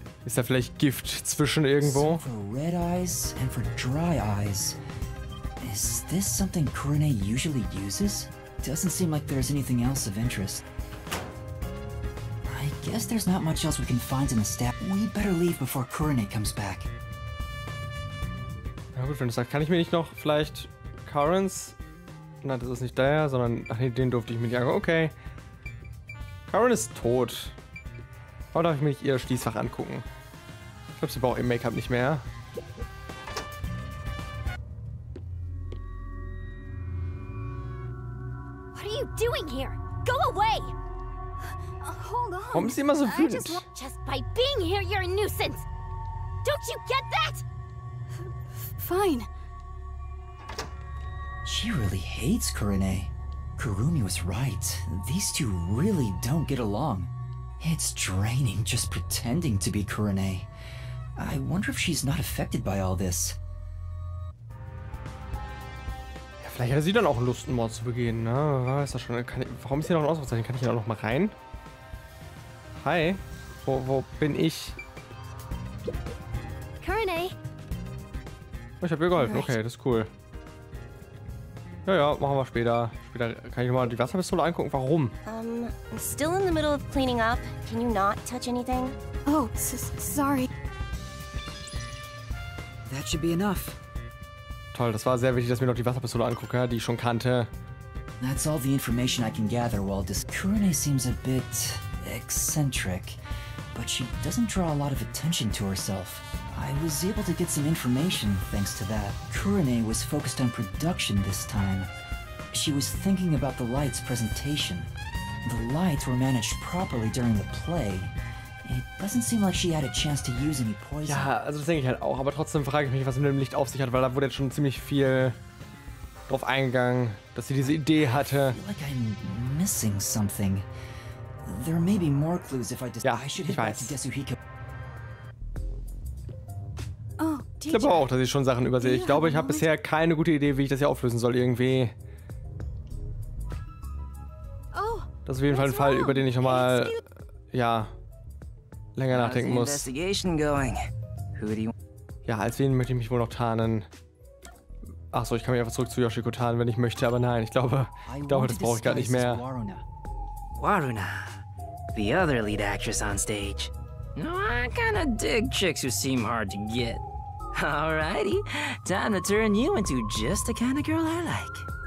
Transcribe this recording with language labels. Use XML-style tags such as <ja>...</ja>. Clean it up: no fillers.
<de>Ist da vielleicht Gift zwischen irgendwo?</de> <en>Some for red eyes and for dry eyes. Is this something Kurane usually uses? Doesn't seem like there's anything else of interest. I guess there's not much else we can find in the staff. We better leave before Kurane comes back.</en> <de>Na gut, wenn du sagst, kann ich mir nicht noch vielleicht Currents? Nein, das ist nicht der, sondern ach nee, den durfte ich mir nicht angucken. Okay. Karen ist tot. Warum darf ich mir nicht ihr Schließfach angucken? Ich glaube, sie braucht ihr Make-up nicht mehr.</de> <en>Doing here? Go away! Hold on.</en> <de>Warum ist sie immer so wütend?</de> <en>Just by being here, you're a nuisance. Don't you get that? Fine. She really hates Kurane. Kurumi was right. These two really don't get along. It's draining just pretending to be Kurane. I wonder if she's not affected by all this.</en> <de>Ja, vielleicht hat sie dann auch Lust, einen Mord zu begehen, ne? Ist das schon, warum ist hier noch ein Ausrufezeichen? Kann ich hier noch mal rein? Hi. Wo bin ich? Kurane! Oh, ich hab ihr geholfen. Okay, das ist cool. Ja, machen wir später. Später kann ich mal die Wasserpistole angucken. Warum?</de> <en>I'm still in the middle of cleaning up. Can you not touch anything? Oh, sorry. That should be enough.</en> <de>Toll, das war sehr wichtig, dass ich mir noch die Wasserpistole angucke, die ich schon kannte.</de> <en>That's all the information I can gather. Well, this Kurane seems a bit eccentric, but she doesn't draw a lot of attention to herself. I was able to get some information thanks to that. Kurane was focused on production this time. She was thinking about the light's presentation. The lights were managed properly during the play. It doesn't seem like she had a chance to use any poison.</en> <de>Ja, also das denke ich halt auch, aber trotzdem frage ich mich, was mit dem Licht auf sich hat, weil da wurde jetzt schon ziemlich viel drauf eingegangen, dass sie diese Idee hatte.</de> <en>I feel like I'm missing something. There may be more clues if I just...</en> <de>Ja, ich weiß. Oh, ich glaube auch, dass ich schon Sachen übersehe. Ich glaube, ich habe bisher keine gute Idee, wie ich das hier auflösen soll, irgendwie. Oh, das ist auf jeden Fall ein Fall, über den ich nochmal, ja, länger nachdenken muss. Ja, als wen möchte ich mich wohl noch tarnen? Achso, ich kann mich einfach zurück zu Yoshiko tarnen, wenn ich möchte, aber nein, ich glaube, das brauche ich gar nicht mehr.</de> <en>Waruna, the other lead actress on stage. No, I kinda dig chicks who seem hard to get. Alrighty, time to turn you into just the kind of girl I like.</en>